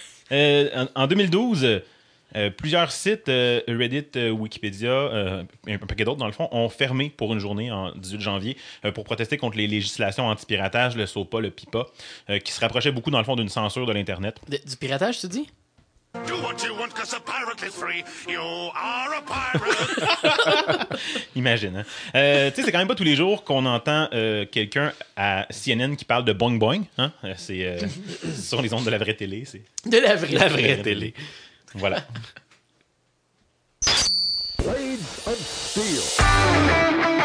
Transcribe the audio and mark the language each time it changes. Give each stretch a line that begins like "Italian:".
French: En 2012... plusieurs sites, Reddit, Wikipédia, un paquet d'autres dans le fond, ont fermé pour une journée en 18 janvier pour protester contre les législations anti-piratage, le SOPA, le PIPA, qui se rapprochaient beaucoup dans le fond d'une censure de l'Internet. Du piratage, tu dis?
English: Do what you want, 'cause a pirate is free. You are a pirate. Imagine. Hein?
French: Tu sais, c'est quand même pas tous les jours qu'on entend quelqu'un à CNN qui parle de boing boing. Hein? C'est sur les ondes de la vraie télé. C'est... De la vraie, la vraie télé. Voilà.
English: Blade of Steel.